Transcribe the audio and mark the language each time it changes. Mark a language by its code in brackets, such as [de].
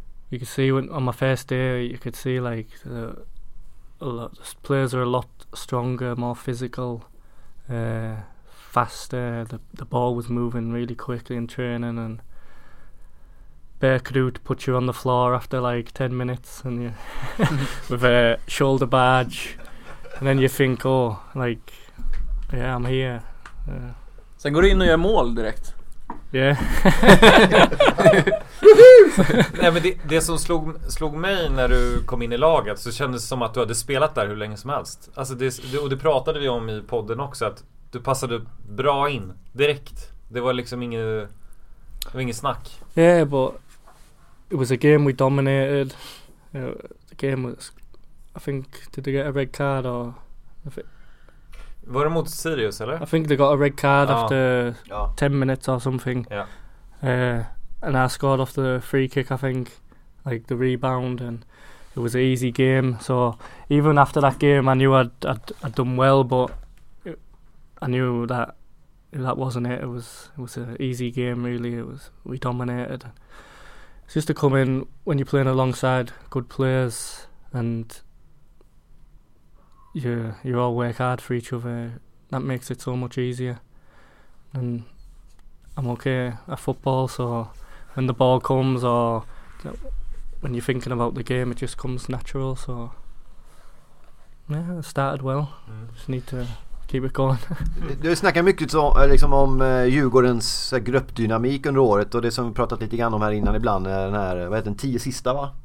[en] You could see when, on my first day, you could see like the players are a lot stronger, more physical, faster. The ball was moving really quickly in training, and Bearcrew put you on the floor after like 10 minutes and you with a shoulder badge, and then you think, oh, like, yeah, I'm here. [sv] Sen går du in och gör mål direkt. [en] Yeah. [sv] Nej, men det som slog mig när du kom in i laget, så kändes det som att du hade spelat där hur länge som helst. Alltså det pratade vi om i podden också, att du passade bra in direkt. Det var liksom ingen snack. [en] Yeah, but it was a game we dominated. The game was, I think, did they get a red card or? [sv] Var det mot Sirius eller? [en] I think they got a red card after 10 minutes or something. Yeah. And I scored off the free kick, I think, like the rebound, and it was an easy game. So even after that game, I knew I'd done well, but I knew that wasn't it. It was an easy game, really. We dominated. It's just to come in when you're playing alongside good players, and you all work hard for each other. That makes it so much easier. And I'm okay at football, so when the ball comes or when you're thinking about the game, it just comes natural. So yeah, it started well. Just need to keep it going. [sv] Du har snackat mycket så, liksom, om Djurgårdens gruppdynamik under året, och det som vi pratat lite grann om här innan ibland är den här, vad heter den, 10 sista, va?